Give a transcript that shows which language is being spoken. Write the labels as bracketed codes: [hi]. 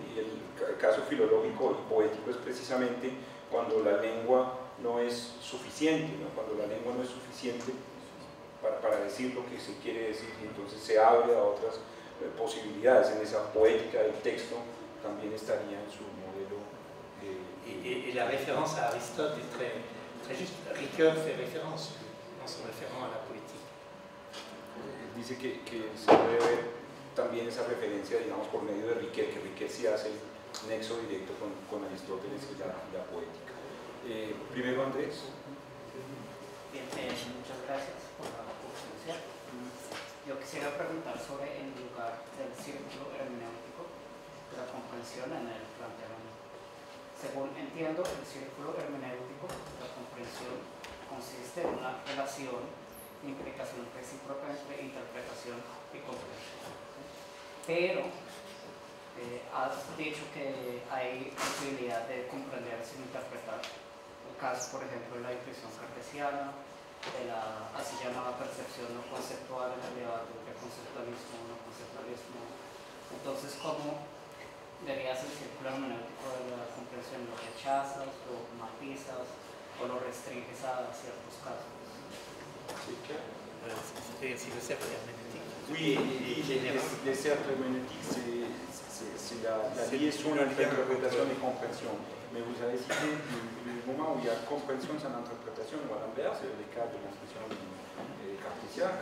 [es] Y el caso filológico y poético es precisamente cuando la lengua no es suficiente, ¿no? Cuando la lengua no es suficiente para decir lo que se quiere decir, y entonces se abre a otras posibilidades. En esa poética del texto también estaría en su modelo. Y la referencia a Aristóteles es [fr] très, très juste. Ricoeur fait référence en se referant [es] a la poética. Dice que se puede ver también esa referencia, digamos, por medio de Riquet, que Riquet sí hace el nexo directo con Aristóteles y la poética. Primero Andrés. Bien, muchas gracias por la presencia. Yo quisiera preguntar sobre el lugar del círculo hermenéutico de la comprensión en el planteamiento. Según entiendo, el círculo hermenéutico de la comprensión consiste en una relación, implicación recíproca entre interpretación y comprensión. Pero has dicho que hay posibilidad de comprender sin interpretar. El caso, por ejemplo, de la intuición cartesiana, de la así llamada percepción no conceptual, en el debate entre conceptualismo o no conceptualismo. Entonces, ¿cómo verías el círculo hermenéutico de la comprensión? ¿Lo rechazas, lo matizas o lo restringes a ciertos casos? Sí, claro. [fr] Oui, les cercles hermeneutiques, c'est la liaison entre interprétation et compréhension. Mais vous avez cité le moment où il y a compréhension sans interprétation, ou à l'inverse, le cas de l'inscription cartésienne.